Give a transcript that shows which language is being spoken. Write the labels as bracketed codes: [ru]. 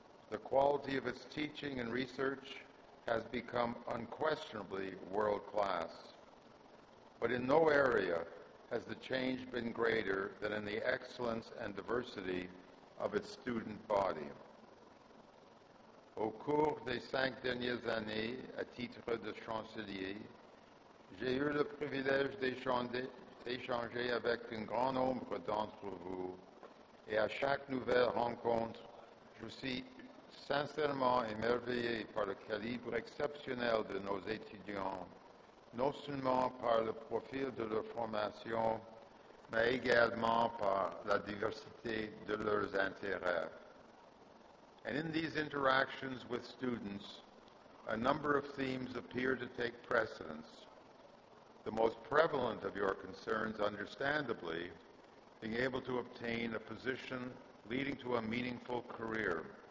[en] The quality of its teaching and research has become unquestionably world class. But in no area has the change been greater than in the excellence and diversity of its student body. [fr] Au cours des cinq dernières années, à titre de chancelier, j'ai eu le privilège d'échanger avec un grand nombre d'entre vous, et à chaque nouvelle rencontre, je suis sincèrement émerveillé par le calibre exceptionnel de nos étudiants, non seulement par le profil de leur formation, mais également par la diversité de leurs intérêts. [en] And in these interactions with students, a number of themes appear to take precedence. The most prevalent of your concerns, understandably, being able to obtain a position leading to a meaningful career.